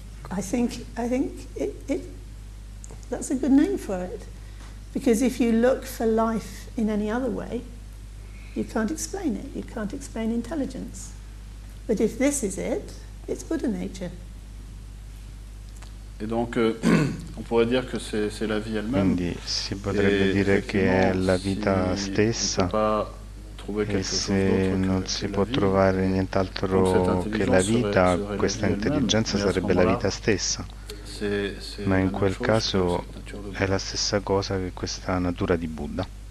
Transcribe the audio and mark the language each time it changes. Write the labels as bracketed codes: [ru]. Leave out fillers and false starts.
[en] I think it that's a good name for it. Because if you look for life in any other way, you can't explain it. You can't explain intelligence. But if this is it, it's Buddha nature. [fr] Et donc on pourrait dire que c'est la vie elle-même. [it] Quindi si potrebbe dire che è la vita stessa. E se non si può trovare nient'altro che la vita, questa intelligenza sarebbe la vita stessa. Ma in quel caso è la stessa cosa che questa natura di Buddha.